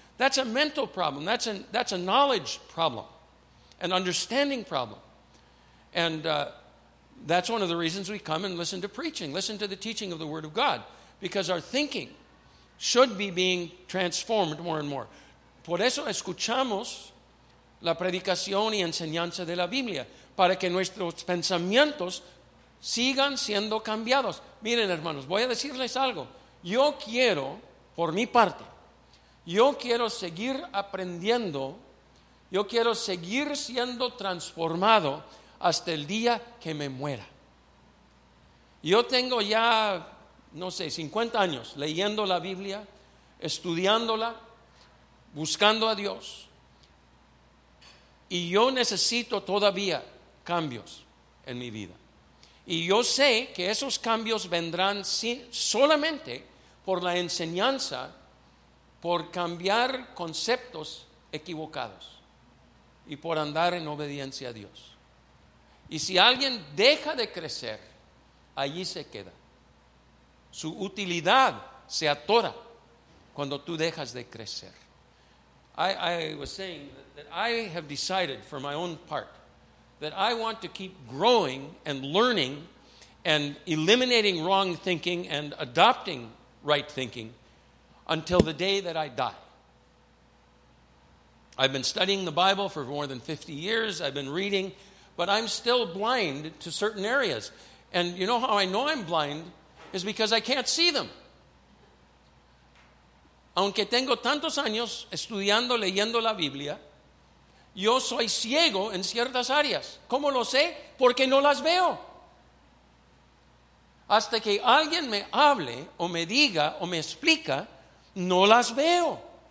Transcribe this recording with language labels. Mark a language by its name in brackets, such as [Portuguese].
[English] That's a mental problem. That's a knowledge problem, an understanding problem. And that's one of the reasons we come and listen to preaching, listen to the teaching of the Word of God, because our thinking should be being transformed more and more. [Spanish] Por eso escuchamos la predicación y enseñanza de la Biblia, para que nuestros pensamientos sigan siendo cambiados. Miren, hermanos, voy a decirles algo. Yo quiero, por mi parte, yo quiero seguir aprendiendo, yo quiero seguir siendo transformado hasta el día que me muera. Yo tengo ya, no sé, 50 años leyendo la Biblia, estudiándola, buscando a Dios, y yo necesito todavía cambios en mi vida. Y yo sé que esos cambios vendrán solamente por la enseñanza, por cambiar conceptos equivocados y por andar en obediencia a Dios. Y si alguien deja de crecer, allí se queda. Su utilidad se atora cuando tú dejas de crecer. [English] I was saying that I have decided for my own part that I want to keep growing and learning and eliminating wrong thinking and adopting right thinking until the day that I die. I've been studying the Bible for more than 50 years. I've been reading, but I'm still blind to certain areas. And you know how I know I'm blind? Is because I can't see them. [Spanish] Aunque tengo tantos años estudiando, leyendo la Biblia, yo soy ciego en ciertas áreas. ¿Cómo lo sé? Porque no las veo. Hasta que alguien me hable o me diga o me explica, no las veo.